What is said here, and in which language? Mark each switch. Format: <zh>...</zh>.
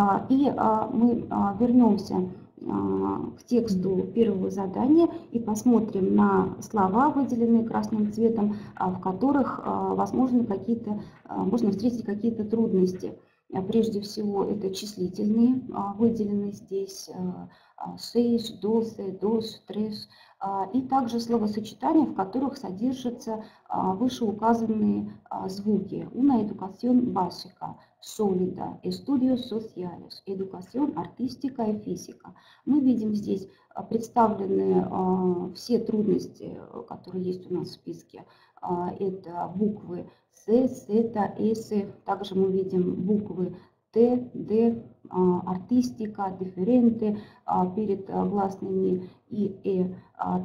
<ru>И мы вернемся к тексту первого задания и посмотрим на слова, выделенные красным цветом, в которых возможно какие-то, можно встретить какие-то трудности. Прежде всего, это числительные, выделенные здесь,</ru> <es>seis, doce, dos, tres,</es> <ru>и также словосочетания, в которых содержатся вышеуказанные звуки.</ru> <es>Una educación básica, sólida, estudios sociales, educación artística y física.</es> <ru>Мы видим здесь представлены все трудности, которые есть у нас в списке. Это буквы С, С, это С. Также мы видим буквы Т, Д, артистика, диференты перед гласными и Э.</ru>